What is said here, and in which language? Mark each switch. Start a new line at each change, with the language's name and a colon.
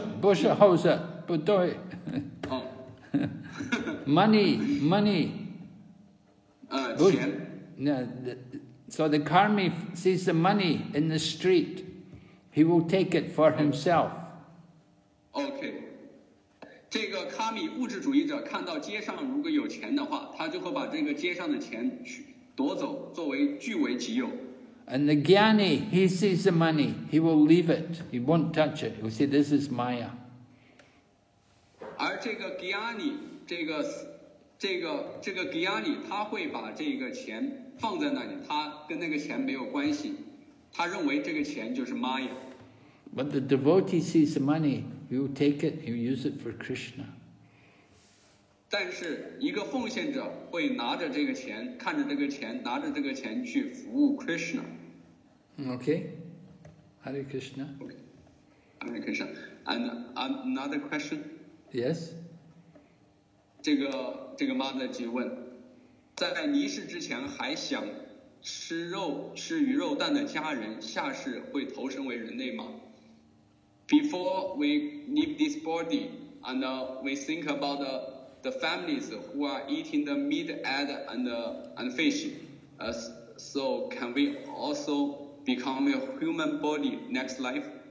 Chinese: No, 不是猴子，不对。哦。
English: Money.
Chinese: 钱。
English: So the karmi sees the money in the street, he will take it for himself. Okay.
Chinese: 这个卡米物质主义者看到街上如果有钱的话，他就会把这个街上的钱去夺走，作为据为己有。
English: And the jnani, he sees the money, he will leave it, he won't touch it. He'll say, "This is Maya."
Chinese: 而这个 jnani, 这个 jnani, 他会把这个钱放在那里，他跟那个钱没有关系，他认为这个钱就是 Maya。
English: But the devotee sees the money. He will take it, he will use it for Krishna.
Chinese: 但是一个奉献者会拿着这个钱，看着这个钱，拿着这个钱去服务 Krishna.
English: Okay. Hare Krishna. Okay. Hare Krishna. And another question? Yes.
Chinese: 这个 Mataji 问，在离世之前还想吃肉，吃鱼肉蛋的家人，下世会投生为人类吗？
English: Before we leave this body, and we think about the families who are eating the meat, egg, and fish, so can we also become a human body next life?